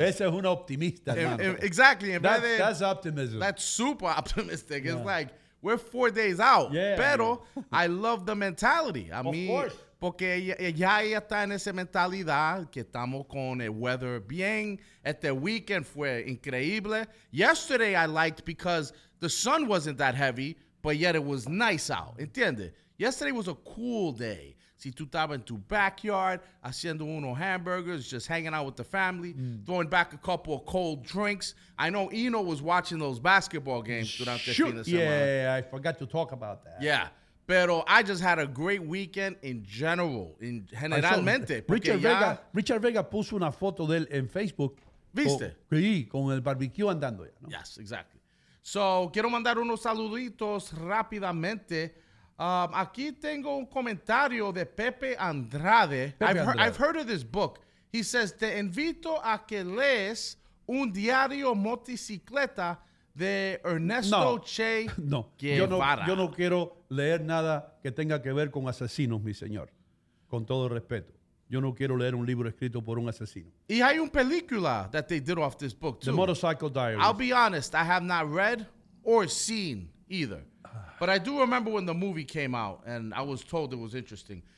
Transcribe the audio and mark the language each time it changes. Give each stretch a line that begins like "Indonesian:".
Spanish: Esa es una optimista.
English: Exactly. That's optimism. That's super optimistic. Yeah. It's like, we're 4 days out. Yeah. Pero I love the mentality. Of course.
Spanish: Porque ya ella está en esa mentalidad que estamos con el weather bien. Este weekend fue increíble.
English: Yesterday I liked because the sun wasn't that heavy, but yet it was nice out. ¿Entiendes? Yesterday was a cool day.
Spanish: Si tú estabas en tu backyard haciendo unos hamburgers,
English: just hanging out with the family, throwing back a couple of cold drinks. I know Eno was watching those basketball games
Spanish: durante el fin de semana.
English: Yeah, I forgot to talk about that. Yeah. Pero I just had a great weekend in general, in generalmente.
Spanish: Richard Vega puso una foto de él en Facebook. ¿Viste? Sí, con el barbecue andando ya. ¿No?
English: Yes, exactly.
Spanish: So, quiero mandar unos saluditos rápidamente. Aquí tengo un comentario de Pepe Andrade.
English: I've heard of this book. He says,
Spanish: te invito a que lees un diario motocicleta de Ernesto Che Guevara. Yo no quiero leer nada que tenga que ver con asesinos, mi señor. Con todo respeto. Yo no quiero leer un libro escrito por un asesino. Y hay una película
English: that they did off this book, too. The Motorcycle Diaries. I'll be honest, I have not read or seen either. But I do remember when the movie came out, and I was told it was interesting.